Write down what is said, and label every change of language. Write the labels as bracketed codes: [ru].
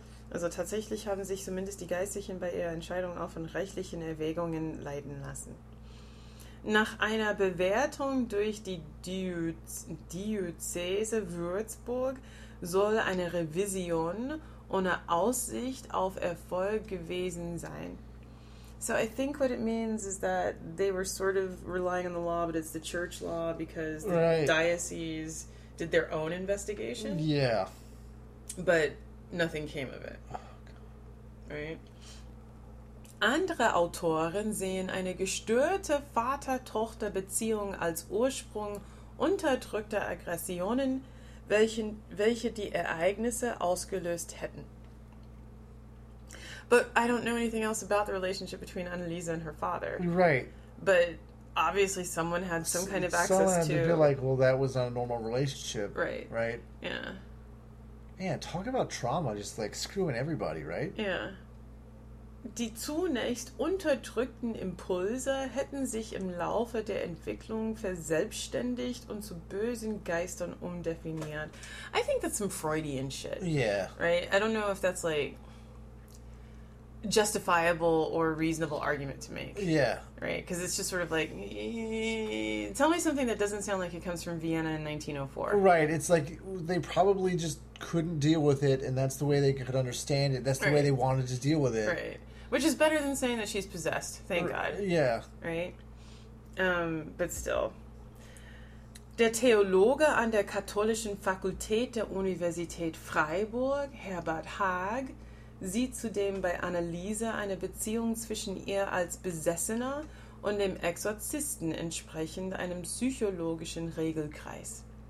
[de] Also tatsächlich haben sich zumindest die Geistlichen bei ihrer Entscheidung auch von rechtlichen Erwägungen leiten lassen. Nach einer Bewertung durch die Diözese Würzburg soll eine Revision ohne Aussicht auf Erfolg gewesen sein. [en] So I think what it means is that they were sort of relying on the law, but it's the church law because the right. diocese did their own investigation. Yeah. But nothing came of it. Oh, God. Right? [de] Andere Autoren sehen eine gestörte Vater-Tochter-Beziehung als Ursprung unterdrückter Aggressionen, welche die Ereignisse ausgelöst hätten. [en] But I don't know anything else about the relationship between Annalisa and her father. Right. But obviously someone had some kind of access someone had to... Someone be like, well, that was not a normal relationship. Right. Right? Yeah. Man, talk about trauma, just like screwing everybody, right? Yeah. [de] Die zunächst unterdrückten Impulse hätten sich im Laufe der Entwicklung verselbstständigt und zu bösen Geistern umdefiniert. [en] I think that's some Freudian shit. Yeah. Right? I don't know if that's like... justifiable or reasonable argument to make. Yeah. Right? Because it's just sort of like, tell me something that doesn't sound like it comes from Vienna in 1904. Right. It's like they probably just couldn't deal with it and that's the way they could understand it. That's the way they wanted to deal with it. Right. Which is better than saying that she's possessed. Thank God. Yeah. Right? But still. [de] Der Theologe an der katholischen Fakultät der Universität Freiburg, Herbert Haag, sieht zudem bei Annalisa eine Beziehung zwischen ihr als Besessener und dem Exorzisten entsprechend einem psychologischen Regelkreis.